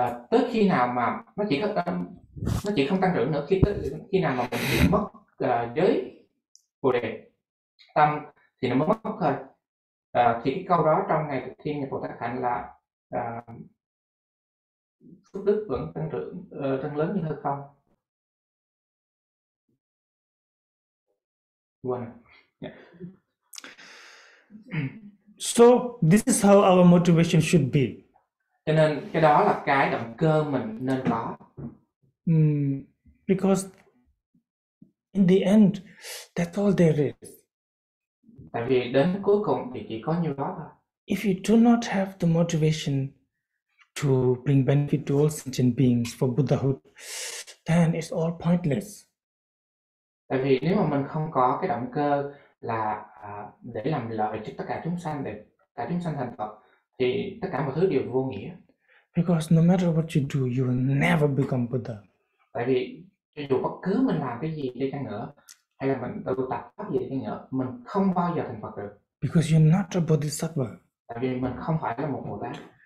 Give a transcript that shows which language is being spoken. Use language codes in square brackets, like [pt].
[vi] Tới khi nào mà nó chỉ không tăng trưởng nữa, khi nào mà mình bị mất giới bồ đề tâm thì nó mới mất thôi. Thì cái câu đó trong ngày thực thiên nhập bồ tát hạnh là phước đức vẫn tăng trưởng tăng lớn như hơn không quên. [en] So this is how our motivation should be. [vi] Cho nên cái đó là cái động cơ mình nên có. [en] Because in the end, that's all there is. [vi] Tại vì đến cuối cùng thì chỉ có nhiêu đó thôi. [en] If you do not have the motivation to bring benefit to all sentient beings for Buddhahood, then it's all pointless. [vi] Tại vì nếu mà mình không có cái động cơ là để làm lợi cho tất cả chúng sanh, để cả chúng sanh thành Phật, thì tất cả mọi thứ đều vô nghĩa. [en] Because no matter what you do, you will never become Buddha. [vi] Tại vì dù bất cứ mình làm cái gì đi chăng nữa, hay là mình tu tập pháp gì đi chăng nữa, mình không bao giờ thành Phật được. [en] Because you're not a bodhisattva. [vi] Tại vì mình không phải là một Bồ Tát.